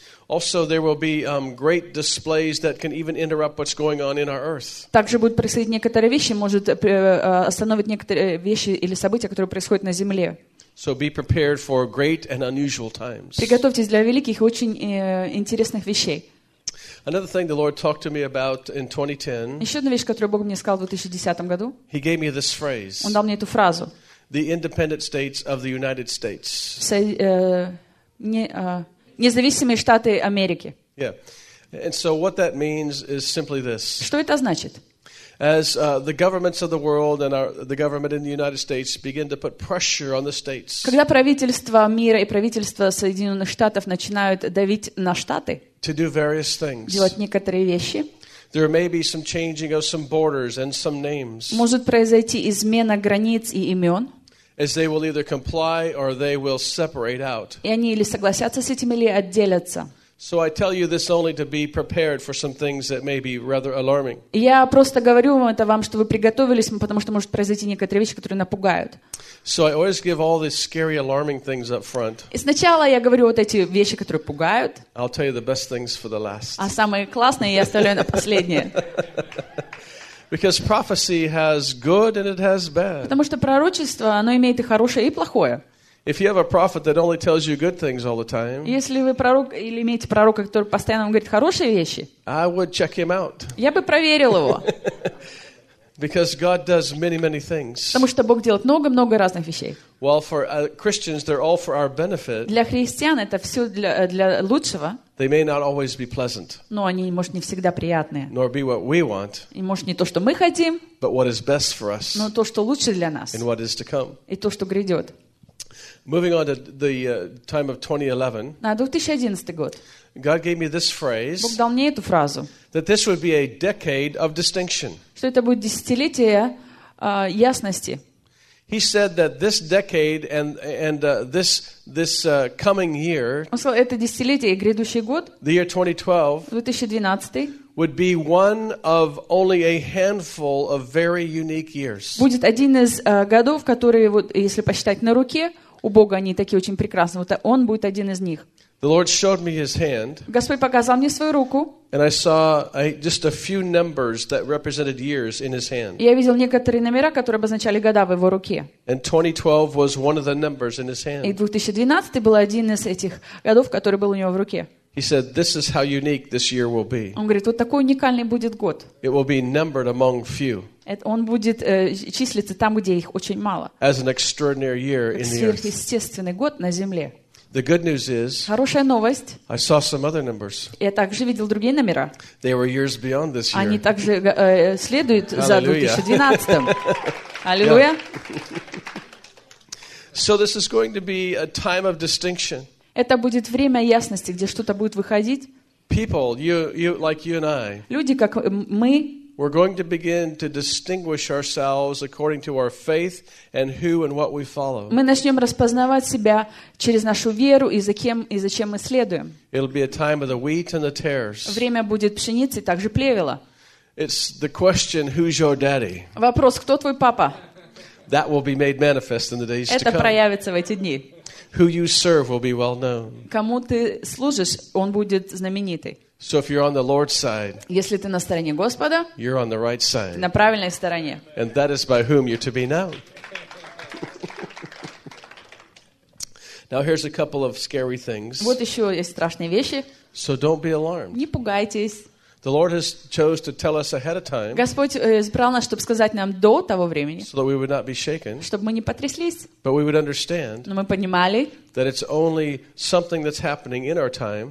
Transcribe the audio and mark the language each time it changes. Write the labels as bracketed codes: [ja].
[en] Also, there will be great displays that can even interrupt what's going on in our earth. [ru] Также будут происходить некоторые вещи, может остановить некоторые вещи или события, которые происходят на Земле. [en] So be prepared for great and unusual times. [ru] Приготовьтесь для великих и очень интересных вещей. [en] Another thing the Lord talked to me about in 2010. [ru] Еще одна вещь, которую Бог мне сказал в 2010 году. [en] He gave me this phrase. [ru] Он дал мне эту фразу. [en] the independent states of the United States. [ru] Независимые штаты Америки. [en] Yeah. And so what that means is simply this. [ru] Что это значит? [en] As the governments of the world and the government in the United States begin to put pressure on the states. [ru] Когда правительства мира и правительства Соединенных Штатов начинают давить на штаты. [en] To do various things. [ru] Делать некоторые вещи. [en] There may be some changing of some borders and some names. [ru] Может произойти измена границ и имен. [en] As they will either comply or they will separate out. [ru] И они или согласятся с этим, или отделятся. [en] So I tell you this only to be prepared for some things that may be rather alarming. [ru] Я просто говорю вам это вам, чтобы вы приготовились, потому что может произойти некоторые вещи, которые напугают. [en] So I always give all these scary, alarming things up front. [ru] И сначала я говорю вот эти вещи, которые пугают. [en] I'll tell you the best things for the last. [ru] А самые классные я оставляю на последние. [en] Because prophecy has good and it has bad. [ru] Потому что пророчество, оно имеет и хорошее, и плохое. [en] If you have a prophet that only tells you good things all the time, [ru] если вы пророк или имеете пророка, который постоянно вам говорит хорошие вещи, [en] I would check him out. [ru] Я бы проверил его. [en] Because God does many, many things. [ru] Потому что Бог делает много-много разных вещей. [en] Well, for Christians, they're all for our benefit. [ru] Для христиан это все для лучшего. [en] They may not always be pleasant. [ru] Но они, может, не всегда приятные. [en] Nor be what we want. [ru] И может не то, что мы хотим. [en] But what is best for us. [ru] Но то, что лучше для нас. [en] And what is to come. [ru] И то, что грядет. [en] Moving on to the time of 2011. [ru] На 2011 год. [en] God gave me this phrase. [ru] Бог дал мне эту фразу. [en] That this would be a decade of distinction. [ru] Что это будет десятилетие ясности. [en] He said that this decade and this coming year. [ru] Он сказал, это десятилетие и грядущий год. [en] The year 2012. [ru] 2012. [en] Would be one of only a handful of very unique years. [ru] Будет один из годов, которые вот если посчитать на руке. У Бога они такие очень прекрасные. Вот он будет один из них. [en] The Lord showed me his hand, [ru] Господь показал мне свою руку. Я видел некоторые номера, которые обозначали года в его руке. [en] And 2012 was one of the numbers in his hand. [ru] И 2012 был один из этих годов, который был у него в руке. [en] He said, "This is how unique this year will be." [ru] Он говорит, вот такой уникальный будет год. [en] It will be numbered among few. [ru] Он будет числиться там, где их очень мало. [en] As an extraordinary year in the earth. [ru] Сверхъестественный год на земле. [en] The good news is. [ru] Хорошая новость. [en] I saw some other numbers. [ru] Я также видел другие номера. [en] They were years beyond this year. [ru] Они также следуют за 2012. Аллилуйя. Yeah. [en] So this is going to be a time of distinction. [ru] Это будет время ясности, где что-то будет выходить. [en] People, you, like you and I, [ru] люди, как мы, [en] we're going to begin to distinguish ourselves according to our faith and who and what we follow. [ru] Мы начнем распознавать себя через нашу веру и за кем и зачем мы следуем. [en] It'll be a time of the wheat and the tares. [ru] Время будет пшеницы, также плевела. [en] It's the question, who's your daddy? [ru] Вопрос, кто твой папа? [en] That will be made manifest in the days to come. [ru] Это проявится в эти дни. [en] Who you serve will be well known. [ru] Кому ты служишь, он будет знаменитый. [en] So if you're on the Lord's side, [ru] если ты на стороне Господа, [en] you're on the right side, [ru] на правильной стороне. [en] And that is by whom you're to be known. Now here's a couple of scary things. [ru] Вот еще есть страшные вещи. [en] So don't be alarmed. [ru] Не пугайтесь. [en] The Lord has chose to tell us ahead of time. [ru] Господь избрал нас, чтобы сказать нам до того времени. [en] So that we would not be shaken. [ru] Чтобы мы не потряслись. [en] But we would understand. [ru] Но мы понимали. [en] That it's only something that's happening in our time.